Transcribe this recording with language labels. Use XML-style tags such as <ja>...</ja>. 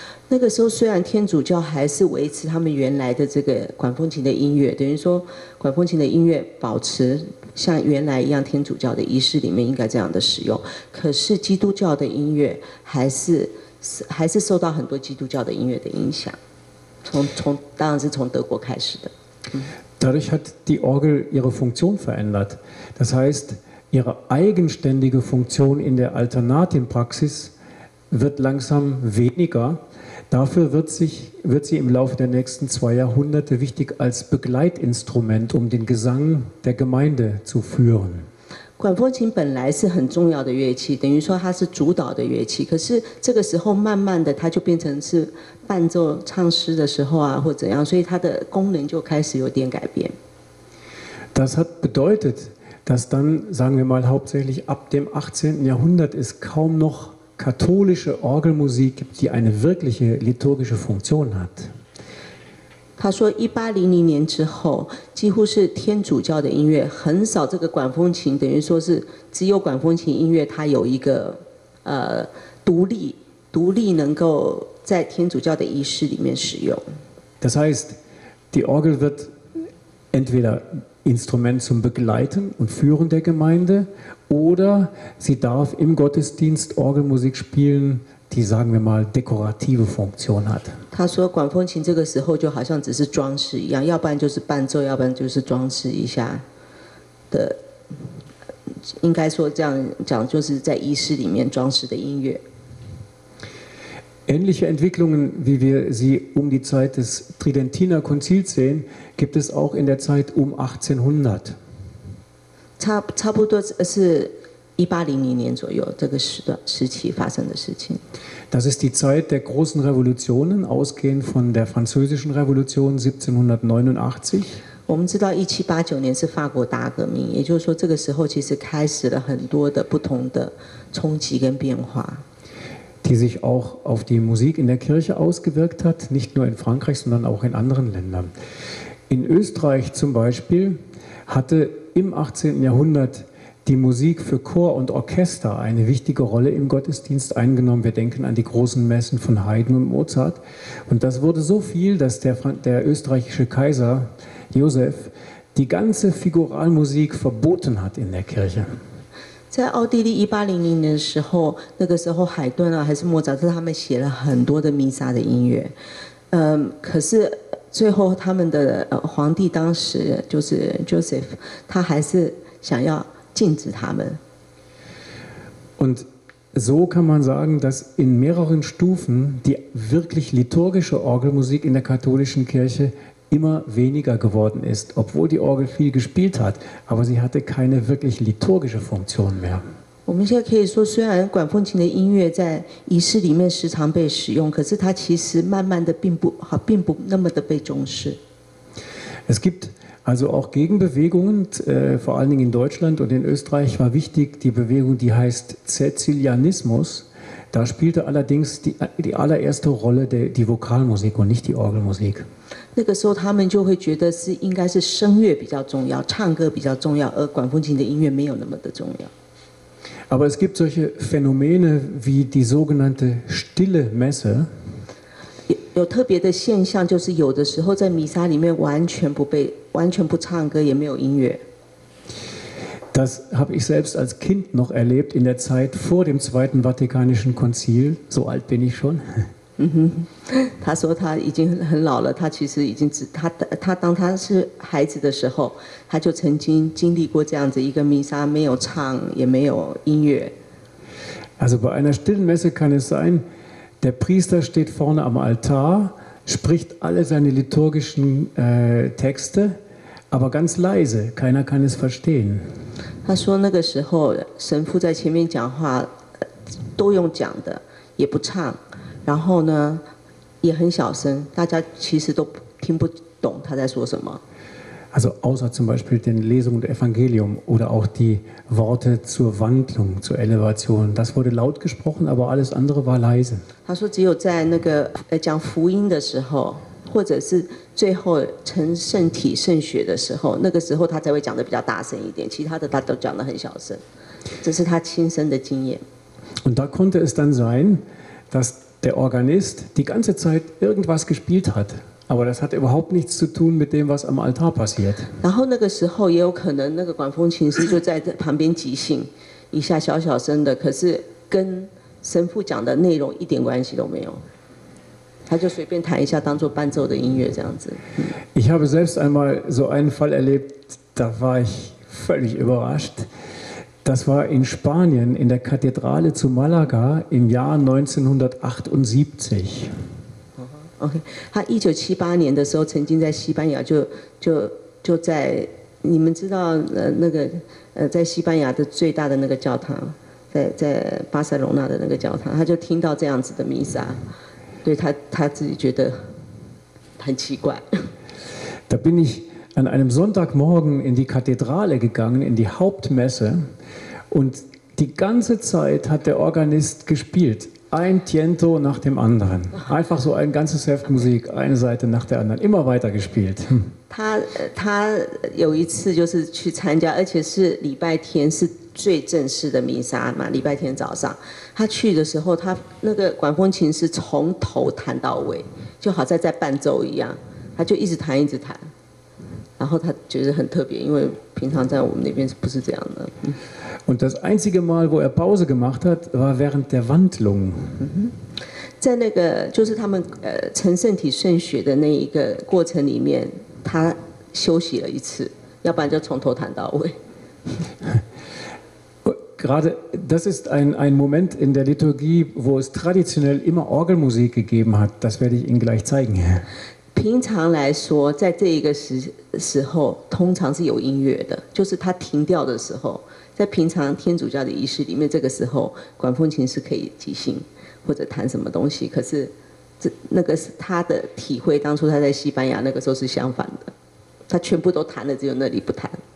<zh>那个时候虽然天主教还是维持他们原来的这个管风琴的音乐，等于说管风琴的音乐保持像原来一样天主教的仪式里面应该这样的使用，可是基督教的音乐还是受到很多基督教的音乐的影响，从当然是从德国开始的。</zh> <de>Dadurch hat die Orgel ihre Funktion verändert. Das heißt, ihre eigenständige Funktion in der Alternatimpraxis wird langsam weniger. Dafür wird sie im Laufe der nächsten zwei Jahrhunderte wichtig als Begleitinstrument, um den Gesang der Gemeinde zu führen.</de> <zh>管风琴本来是很重要的乐器，等于说它是主导的乐器。可是这个时候，慢慢的它就变成是伴奏唱诗的时候啊，或怎样，所以它的功能就开始有点改变。</zh> <de>Das hat bedeutet, dass dann, sagen wir mal, hauptsächlich ab dem 18. Jahrhundert ist kaum nochkatholische Orgelmusik, die eine wirkliche liturgische Funktion hat.</de> <zh>他说1800年之后几乎是天主教的音乐很少，这个管风琴等于说是只有管风琴音乐它有一个独立能够在天主教的仪式里面使用。</zh> <de>Das heißt, die Orgel wird entwederInstrument zum Begleiten und Führen der Gemeinde, oder sie darf im Gottesdienst Orgelmusik spielen, die, sagen wir mal, dekorative Funktion hat.</de> <zh>他说管风琴这个时候就好像只是装饰一样，要不然就是伴奏，要不然就是装饰一下的，应该说这样讲就是在仪式里面装饰的音乐。</zh> <de>Ähnliche Entwicklungen, wie wir sie um die Zeit des Tridentiner Konzils sehen, gibt es auch in der Zeit um 1800.</de> <zh>差不多是1800年左右这个时期发生的事情。</zh> <de>Das ist die Zeit der großen Revolutionen, ausgehend von der französischen Revolution 1789.</de> <zh>我们知道1789年是法国大革命，也就是说这个时候其实开始了很多的不同的冲击跟变化。</zh> <de>Die sich auch auf die Musik in der Kirche ausgewirkt hat, nicht nur in Frankreich, sondern auch in anderen Ländern. In Österreich zum Beispiel hatte im 18. Jahrhundert die Musik für Chor und Orchester eine wichtige Rolle im Gottesdienst eingenommen. Wir denken an die großen Messen von Haydn und Mozart. Und das wurde so viel, dass der österreichische Kaiser Josef die ganze Figuralmusik verboten hat in der Kirche.</de> <zh>在奥地利1800年的时候，那个时候海顿啊还是莫扎特，他们写了很多的弥撒的音乐。可是最后他们的皇帝当时就是 Joseph， 他还是想要禁止他们。</zh> <de>Und so kann man sagen, dass in mehreren Stufen die wirklich liturgische Orgelmusik in der katholischen Kirche immer weniger geworden ist, obwohl die Orgel viel gespielt hat, aber sie hatte keine wirklich liturgische Funktion mehr.</de> <zh>我们现在可以说，虽然管风琴的音乐在仪式里面时常被使用，可是它其实慢慢的并不那么的被重视。</zh> <de>Es gibt also auch Gegenbewegungen, vor allen Dingen in Deutschland und in Österreich war wichtig die Bewegung, die heißt Cäcilianismus. Da spielte allerdings die allererste Rolle die Vokalmusik und nicht die Orgelmusik.</de> <zh>那个时候他们就会觉得是应该是声乐比较重要，唱歌比较重要，而管风琴的音乐没有那么的重要。</zh> <de>Aber es gibt solche Phänomene wie die sogenannte stille Messe.</de> <zh>有特别的现象，就是有的时候在弥撒里面完全不唱歌，也没有音乐。</zh> <de>Das habe ich selbst als Kind noch erlebt in der Zeit vor dem Zweiten Vatikanischen Konzil. So alt bin ich schon.</de> <zh>他说他已经很老了，他其实已经他当他是孩子的时候，他就曾经经历过这样子一个弥撒，没有唱也没有音乐。</zh> <de>Also bei einer stillen Messe kann es sein, der Priester steht vorne am Altar, spricht alle seine liturgischen Texte, aber ganz leise, keiner kann es verstehen.</de> <zh>他说那个时候神父在前面讲话，都用讲的，也不唱。然后呢，也很小声，大家其实都听不懂他在说什么。</zh> <de>Also außer zum Beispiel den Lesungen des Evangeliums oder auch die Worte zur Wandlung, zur Elevation, das wurde laut gesprochen, aber alles andere war leise.</de> <zh>他说只有在那个讲福音的时候，或者是最后成圣体圣血的时候，那个时候他才会讲得比较大声一点，其他的他都讲得很小声。这是他亲身的经验。</zh> <de>Und da konnte es dann sein, dass der Organist die ganze Zeit irgendwas gespielt hat, aber das hat überhaupt nichts zu tun mit dem, was am Altar passiert.</de> <zh>然后那个时候也有可能那个管风琴师就在旁边即兴一下小小声的，可是跟神父讲的内容一点关系都没有，他就随便弹一下当作伴奏的音乐这样子。</zh> <de>Ich habe selbst einmal so einen Fall erlebt, da war ich völlig überrascht. Das war in Spanien in der Kathedrale zu Malaga im Jahr 1978.</de> <zh>Okay, 他1978年的时候曾经在西班牙就在你们知道那个在西班牙的最大的那个教堂，在巴塞罗那的那个教堂，他就听到这样子的弥撒，对他自己觉得很奇怪。</zh> <de>Da bin ich an einem Sonntagmorgen in die Kathedrale gegangen, in die Hauptmesse. Und die ganze Zeit hat der Organist gespielt, ein Tiento nach dem anderen. Einfach so ein ganzes Heft Musik, eine Seite nach der anderen, immer weiter gespielt.</de> <zh>他有一次就是去参加，而且是礼拜天，是最正式的弥撒嘛，礼拜天早上。他去的时候，他那个管风琴是从头弹到尾，就好像在伴奏一样，他就一直弹，一直弹。然后他觉得很特别，因为平常在我们那边不是这样的。</zh> <de>Und das einzige Mal, wo er Pause gemacht hat, war während der Wandlung.</de> <zh>在那个就是他们成圣体圣血的那一个过程里面，他休息了一次，要不然就从头弹到尾。</zh> <de>Gerade das ist ein Moment in der Liturgie, wo es traditionell immer Orgelmusik gegeben hat. Das werde ich Ihnen gleich zeigen.</de> <zh>平常来说，在这一个时候，通常是有音乐的，就是他停掉的时候。在平常天主教的仪式里面，这个时候管风琴是可以即兴或者弹什么东西。可是那个是他的体会，当初他在西班牙那个时候是相反的，他全部都弹了，只有那里不弹。</zh>